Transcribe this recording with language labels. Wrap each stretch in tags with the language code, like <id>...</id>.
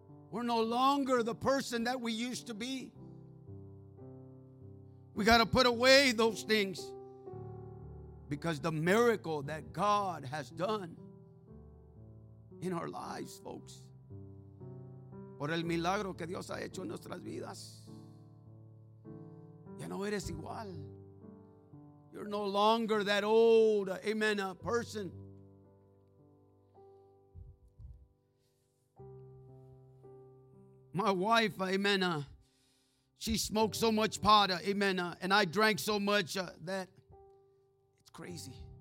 <en>We're no longer the person that we used to be. We got to put away those things. because the miracle that God has done in our lives, folks.</en> <es>Por el milagro que Dios ha hecho en nuestras vidas. Ya no eres igual.</es> <en>You're no longer that old, amen, person. My wife, amen, she smoked so much pot, amen, and I drank so much that it's crazy.</en>